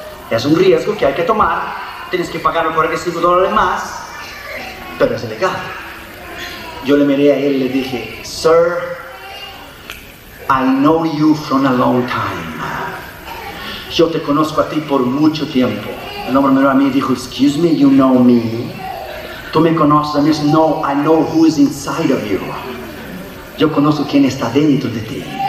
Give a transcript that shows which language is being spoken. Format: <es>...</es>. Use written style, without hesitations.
<es>Es un riesgo que hay que tomar, tienes que pagar los 45 dólares más, pero es ilegal. Yo le miré a él y le dije,</es> <en>Sir, I know you from a long time.</en> <es>Yo te conozco a ti por mucho tiempo. El hombre miró a mí y dijo,</es> <en>excuse me, you know me.</en> <es>Tú me conoces a mí.</es> <en>No, I know who is inside of you.</en> <es>Yo conozco quién está dentro de ti.</es>